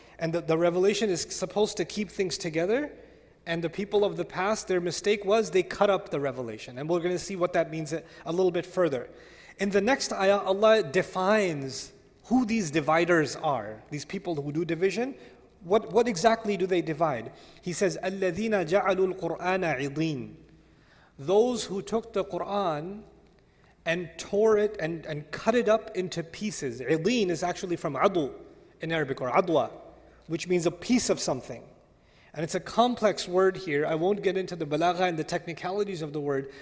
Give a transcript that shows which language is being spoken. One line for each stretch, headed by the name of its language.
English: And the revelation is supposed to keep things together. And the people of the past, their mistake was they cut up the revelation. And we're going to see what that means a little bit further. In the next ayah, Allah defines who these dividers are, these people who do division. What exactly do they divide? He says,
Arabic: أَلَّذِينَ جَعَلُوا الْقُرْآنَ عِضِينَ.
English: Those who took the Qur'an and tore it and cut it up into pieces. عِضِينَ is actually from عَضُ in Arabic, or عَضْوَ, which means a piece of something. And it's a complex word here. I won't get into the balagha and the technicalities of the word.